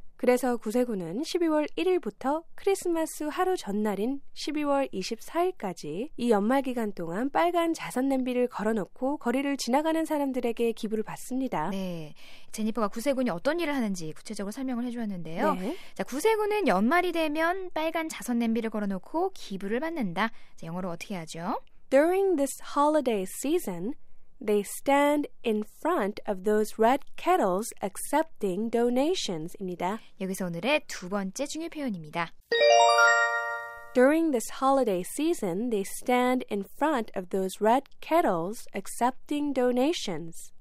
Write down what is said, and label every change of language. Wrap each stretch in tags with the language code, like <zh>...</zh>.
<ko>그래서 구세군은 12월 1일부터 크리스마스 하루 전날인 12월 24일까지 이 연말 기간 동안 빨간 자선 냄비를 걸어놓고 거리를 지나가는 사람들에게 기부를 받습니다. 네, 제니퍼가 구세군이 어떤 일을 하는지 구체적으로 설명을 해주었는데요. 네. 자, 구세군은 연말이 되면 빨간 자선 냄비를 걸어놓고 기부를 받는다. 자, 영어로 어떻게 하죠?</ko> <en>During this holiday season, They stand in front of those red kettles accepting donations입니다.</en> <ko>여기서 오늘의 두 번째 중요 표현입니다.</ko> <en>During this holiday season, they stand in front of those red kettles accepting donations.</en>